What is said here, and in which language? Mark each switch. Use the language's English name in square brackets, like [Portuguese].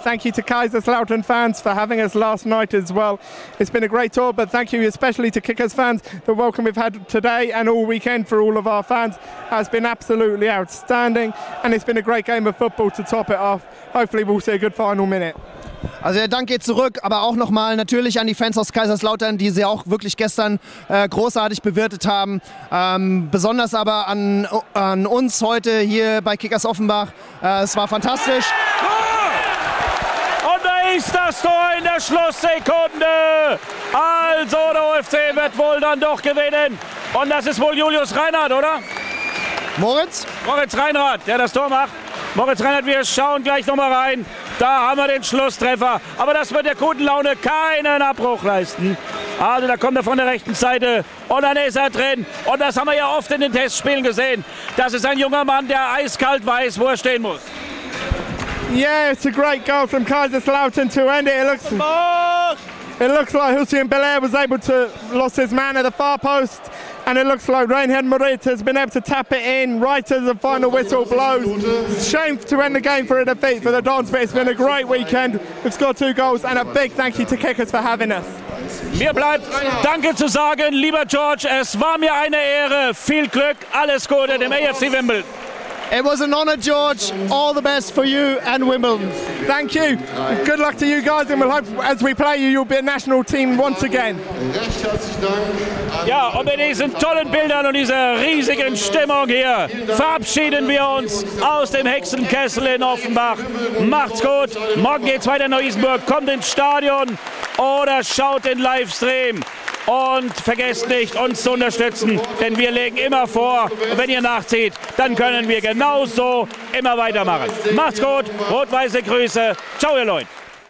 [English] Thank you to Kaiserslautern fans for having us last night as well. It's been a great tour, but thank you especially to Kickers fans. The welcome we've had today and all weekend for all of our fans has been absolutely outstanding. And it's been a great game of football to top it off. Hopefully we'll see a good final minute. [German] Also der Dank geht zurück, aber auch nochmal natürlich an die Fans aus Kaiserslautern, die sie auch wirklich gestern großartig bewirtet haben. Besonders aber an uns heute hier bei Kickers Offenbach. Es war fantastisch. Und da ist das Tor in der Schlusssekunde. Also der UFC wird wohl dann doch gewinnen. Und das ist wohl Julius Reinhardt, oder? Moritz? Moritz Reinhardt, der das Tor macht. Moritz Rennert, wir schauen gleich nochmal rein. Da haben wir den Schlusstreffer. Aber das wird der guten Laune keinen Abbruch leisten. Also da kommt er von der rechten Seite und dann ist er drin. Und das haben wir ja oft in den Testspielen gesehen. Das ist ein junger Mann, der eiskalt weiß, wo er stehen muss. [English] Yeah, it's a great goal from Kaiserslautern to end it. It looks like Hussein Belair was able to lost his man at the far post. And it looks like Reinhard Moritz has been able to tap it in right as the final whistle blows. Shame to end the game for a defeat for the Dons, but it's been a great weekend. We've scored two goals and a big thank you to Kickers for having us. [German] Mir bleibt Danke zu sagen, lieber George. Es war mir eine Ehre. Viel Glück, alles Gute dem AFC Wimbledon. [English] It was an honour, George. All the best for you and Wimbledon. Thank you. Good luck to you guys, and we'll hope as we play you, you'll be a national team once again. [German] Ja, und mit diesen tollen Bildern und dieser riesigen Stimmung hier verabschieden wir uns aus dem Hexenkessel in Offenbach. Macht's gut. Morgen geht's weiter in Neu-Isenburg. Kommt ins Stadion oder schaut den Livestream. Und vergesst nicht, uns zu unterstützen, denn wir legen immer vor, wenn ihr nachzieht, dann können wir genauso immer weitermachen. Macht's gut, rot-weiße Grüße, ciao ihr Leute.